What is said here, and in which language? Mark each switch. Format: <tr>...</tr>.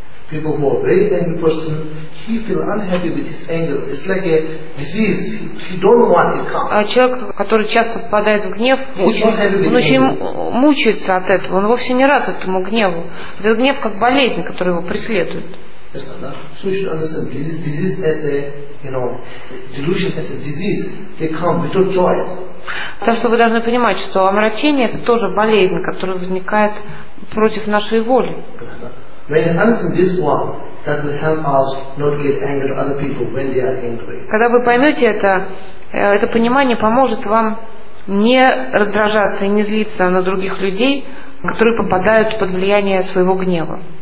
<en>People who are very angry person, he feel unhappy with his anger. It's like a disease. He don't want it come.</en> <ru>А человек, который часто впадает в гнев, он очень мучается от этого. Он вовсе не рад этому гневу. Этот гнев как болезнь, которая его преследует.</ru> <en>So you should understand this is disease as a, you know, delusion as a disease. They come without joy.</en> <ru>Так что вы должны понимать, что омрачение — это тоже болезнь, которая возникает против нашей воли.</ru> <en>When you understand this one, that will help us not get angry at other people when they are angry.</en> <ru>Когда вы поймете это, это понимание поможет вам не раздражаться и не злиться на других людей, которые попадают под влияние своего гнева.</ru>